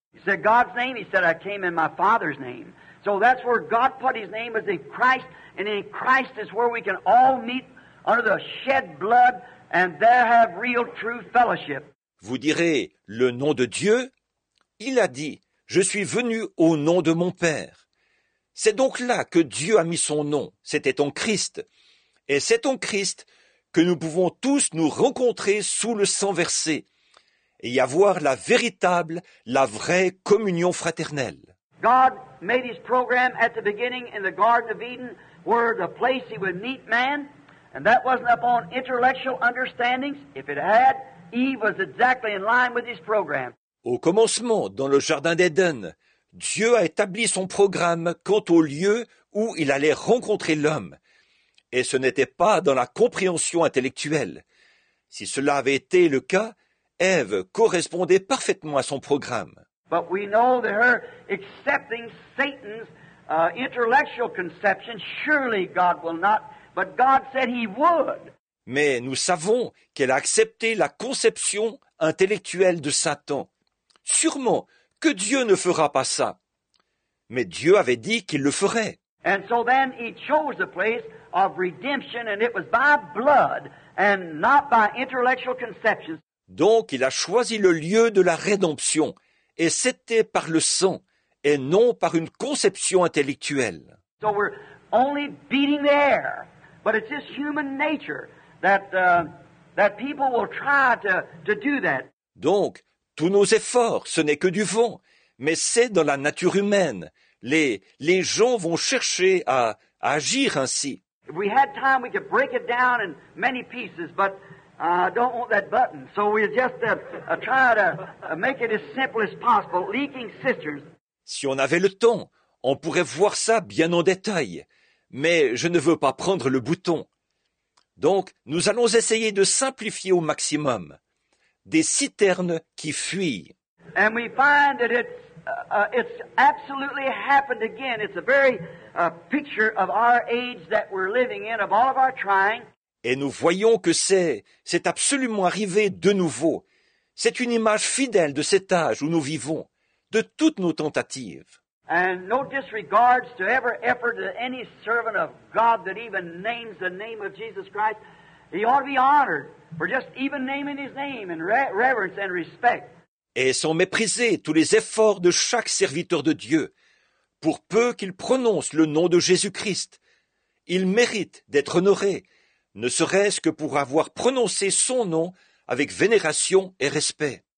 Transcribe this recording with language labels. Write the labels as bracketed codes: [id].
[en] He said, God's name, he said, I came in my Father's name. So that's where God put his name was in Christ, and in Christ is where we can all meet under the shed blood and there have real true fellowship. [fr] Vous direz, le nom de Dieu? Il a dit, je suis venu au nom de mon Père. C'est donc là que Dieu a mis son nom, c'était en Christ. Et c'est en Christ que nous pouvons tous nous rencontrer sous le sang versé, et y avoir la véritable, la vraie communion fraternelle. [en] God made his program at the beginning in the Garden of Eden, where the place he would meet man, And that wasn't upon intellectual understandings. If it had, Eve was exactly in line with his program. [fr] Au commencement, dans le jardin d'Éden, Dieu a établi son programme quant au lieu où il allait rencontrer l'homme. Et ce n'était pas dans la compréhension intellectuelle. Si cela avait été le cas, Ève correspondait parfaitement à son programme. [en] But we know that her accepting Satan's intellectual conception, surely God will not, but God said he would. [fr] Mais nous savons qu'elle a accepté la conception intellectuelle de Satan. Sûrement que Dieu ne fera pas ça. Mais Dieu avait dit qu'il le ferait. [en] And so then he chose a place of redemption, and it was by blood and not by intellectual conceptions. [fr] Donc il a choisi le lieu de la rédemption, et c'était par le sang, et non par une conception intellectuelle. [en] So we're only beating the air, but it's just human nature that that people will try to do that. [fr] Donc, tous nos efforts, ce n'est que du vent, mais c'est dans la nature humaine. Les gens vont chercher à agir ainsi. [en] If we had time, we could break it down in many pieces, but I don't want that button. So we'll just try to make it as simple as possible, leaking cisterns. [fr] Si on avait le temps, on pourrait voir ça bien en détail. Mais je ne veux pas prendre le bouton. Donc, nous allons essayer de simplifier au maximum. Des citernes qui fuient. [en] And we find that it's absolutely happened again. It's a very picture of our age that we're living in, of all of our trying. [fr] Et nous voyons que c'est absolument arrivé de nouveau. C'est une image fidèle de cet âge où nous vivons, de toutes nos tentatives. [en] And no disregards to ever effort that any servant of God that even names the name of Jesus Christ, he ought to be honored for just even naming his name in reverence and respect. [fr] Et sans mépriser tous les efforts de chaque serviteur de Dieu, pour peu qu'il prononce le nom de Jésus-Christ, il mérite d'être honoré, ne serait-ce que pour avoir prononcé son nom avec vénération et respect.